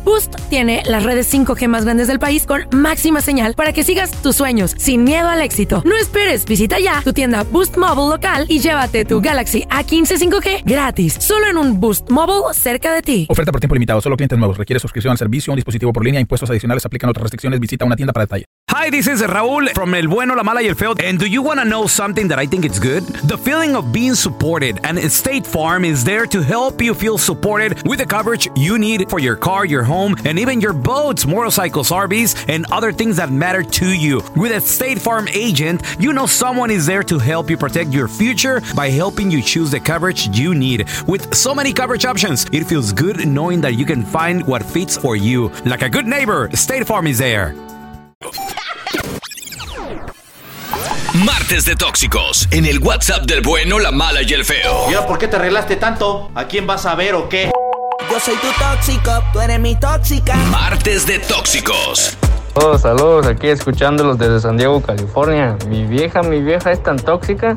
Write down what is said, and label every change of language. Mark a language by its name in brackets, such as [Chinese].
[Spanish] Boost tiene las redes 5G más grandes del país con máxima señal para que sigas tus sueños sin miedo al éxito. No esperes. Visita ya tu tienda Boost Mobile local y llévate tu Galaxy A15 5G gratis. Solo en un Boost Mobile cerca de ti. Oferta por tiempo limitado. Solo clientes nuevos. Requiere suscripción al servicio. Un dispositivo por línea. Impuestos adicionales aplican otras restricciones. Visita una tienda para detalles. [English] Hi, this is Raúl from El Bueno, La Mala y El Feo. And do you want to know something that I think is good? The feeling of being supported, and State Farm is there to help you feel supported with the coverage you need for your car, your home, and even your boats, motorcycles, RVs, and other things that matter to you. With a State Farm agent, you know someone is there to help you protect your future by helping you choose the coverage you need. With so many coverage options, it feels good knowing that you can find what fits for you. Like a good neighbor, State Farm is there. [Spanish] Martes de Tóxicos, en el WhatsApp del Bueno, la Mala y el Feo. ¿Y ahora por qué te arreglaste tanto? ¿A quién vas a ver o qué? Yo soy tu tóxico, tú eres mi tóxica. Martes de Tóxicos. Saludos, aquí escuchándolos desde San Diego, California. Mi vieja es tan tóxica.